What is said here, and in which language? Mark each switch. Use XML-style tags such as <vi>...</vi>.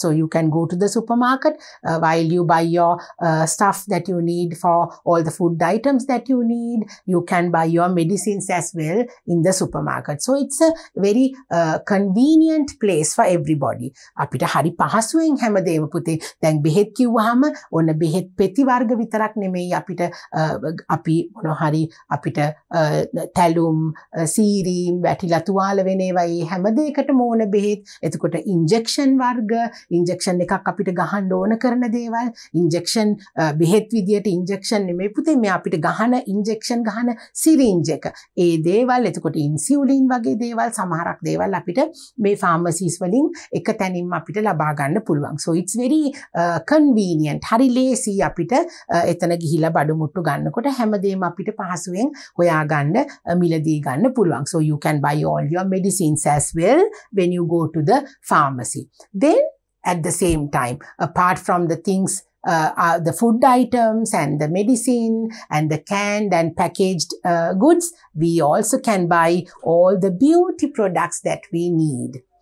<en>So you can go to the supermarket while you buy your stuff that you need for all the food items that you need. You can buy your medicines as well in the supermarket. So it's a very convenient place for everybody.</en> <si>අපිට හරි පහසුවෙන් හැමදේම පුතේ. දැන් බෙහෙත් කිව්වහම ඔන්න බෙහෙත් පෙති වර්ග විතරක් නෙමෙයි අපිට අපි මොන හරි අපිට තැලුම් සීරීම් වැටිලා තුවාල වෙන ඒවා ඒ හැම දෙයකටම ඕන බෙහෙත්. එතකොට ඉන්ජෙක්ෂන් වර්ග, ඉන්ජෙක්ෂන් එකක් අපිට ගහන්න ඕන කරන දේවල්, ඉන්ජෙක්ෂන් බෙහෙත් විදියට ඉන්ජෙක්ෂන් නෙමෙයි පුතේ, මේ අපිට ගහන ඉන්ජෙක්ෂන් ගහන සිරින්ජ් එක. ඒ දේවල්, එතකොට ඉන්සියුලින් වගේ දේවල්, සමහරක් දේවල් අපිට මේ ෆාර්මසීස් වලින් එක තැනින්ම අපිට ලබා ගන්න පුළුවන්.</si> <en>So it's very convenient.</en> <si>හරි ලේසි අපිට එතන ගිහිලා බඩු මුට්ටු ගන්නකොට හැමදේම අපිට පහසුවෙන් හොයා ගන්න මිලදී ගන්න පුළුවන්.</si> <en>So you can buy all your medicines as well when you go to the pharmacy. Then at the same time, apart from the things, the food items and the medicine and the canned and packaged goods, we also can buy all the beauty products that we need.</en>